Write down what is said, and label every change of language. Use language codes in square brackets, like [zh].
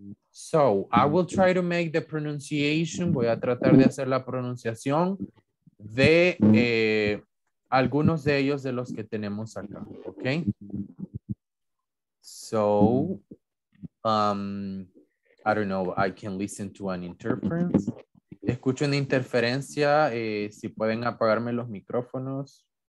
[en] So, I will try to make the pronunciation. [es] Voy a tratar de hacer la pronunciación de... algunos de ellos de los que tenemos acá, ¿ok? [en] So, I don't know, I can listen to an interference. [es] Escucho una interferencia, si pueden apagarme los micrófonos.